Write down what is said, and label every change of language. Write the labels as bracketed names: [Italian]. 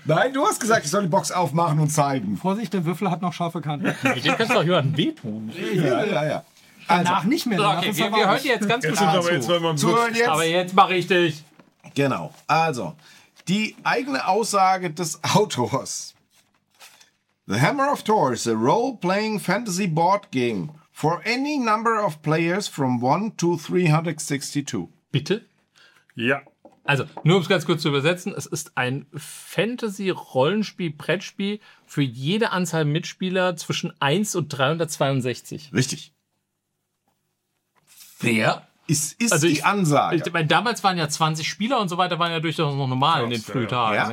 [German] Nein, du hast gesagt, ich soll die Box aufmachen und zeigen. Vorsicht, der Würfel hat noch scharfe Kanten. Den kannst du doch hören. Wehtun. Ja. Also, danach nicht mehr. Okay, wir hören jetzt ganz gut zu. Aber jetzt mache ich dich. Genau. Also, die eigene Aussage des Autors. [English] The Hammer of Thor is a role-playing fantasy board game for any number of players from 1 to 362. [German] Bitte? Ja. Also, nur um es ganz kurz zu übersetzen, es ist ein Fantasy-Rollenspiel-Brettspiel für jede Anzahl Mitspieler zwischen 1 und 362. Richtig. [English] Fair. [German] Ist die Ansage. Ich meine, damals waren ja 20 Spieler und so weiter, waren ja durchaus noch normal in den Frühtagen.